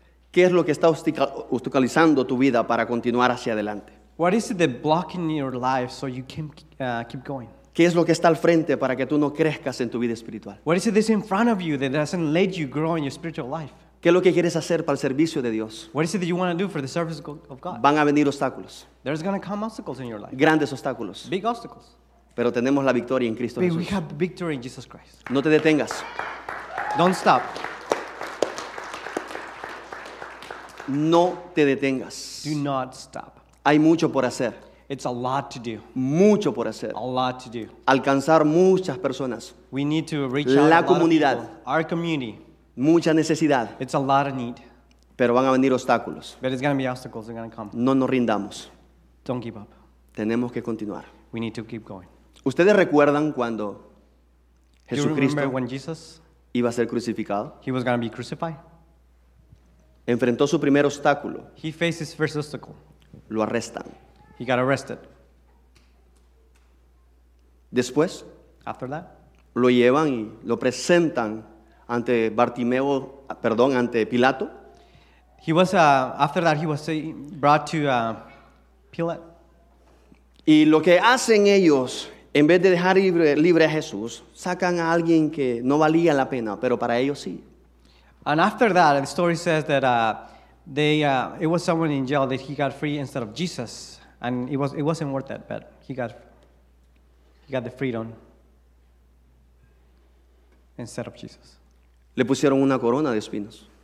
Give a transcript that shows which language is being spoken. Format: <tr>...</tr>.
<es>¿Qué es lo que está obstaculizando tu vida para continuar hacia adelante?</es> <en>What is it that blocking your life so you can keep going?</en> <es>¿Qué es lo que está al frente para que tú no crezcas en tu vida espiritual?</es> <en>What is it that's in front of you that doesn't let you grow in your spiritual life?</en> <es>¿Qué es lo que quieres hacer para el servicio de Dios?</es> <en>What is it that you want to do for the service of God?</en> <es>Van a venir obstáculos.</es> <en>There's going to come obstacles in your life.</en> <es>Grandes obstáculos.</es> <en>Big obstacles.</en> <es>Pero tenemos la victoria en Cristo Jesús.</es> <en>We have victory in Jesus Christ.</en> <es>No te detengas.</es> <en>Don't stop.</en> <es>No te detengas.</es> <en>Do not stop.</en> <es>Hay mucho por hacer.</es> <en>It's a lot to do.</en> <es>Mucho por hacer.</es> <en>A lot to do.</en> <es>Alcanzar muchas personas.</es> <en>We need to reach</en> <es>la</es> <en>out</en> <es>comunidad.</es> <en>A lot of people. Our community.</en> <es>Mucha necesidad.</es> <en>It's a lot of need.</en> <es>Pero van a venir obstáculos.</es> <en>But it's going to be obstacles that are going to come.</en> <es>No nos rindamos.</es> <en>Don't give up.</en> <es>Tenemos que continuar.</es> <en>We need to keep going.</en> <es>¿Ustedes recuerdan cuando Jesucristo,</es> <en>do you remember when Jesus,</en> <es>iba a ser crucificado?</es> <en>He was going to be crucified.</en> <es>Enfrentó su primer obstáculo.</es> <en>He faced his first obstacle.</en> <es>Lo arrestan.</es> <en>He got arrested.</en> <es>Después,</es> <en>after that,</en> <es>lo llevan y lo presentan ante Bartimeo, perdón, ante Pilato.</es> <en>He was after that he was brought to Pilate.</en> <es>Y lo que hacen ellos, en vez de dejar libre a Jesús, sacan a alguien que no valía la pena, pero para ellos sí.</es> <en>And after that, the story says that it was someone in jail that he got free instead of Jesus, and it wasn't worth it, but he got the freedom instead of Jesus.</en> <es>Le pusieron una corona de espinas.</es>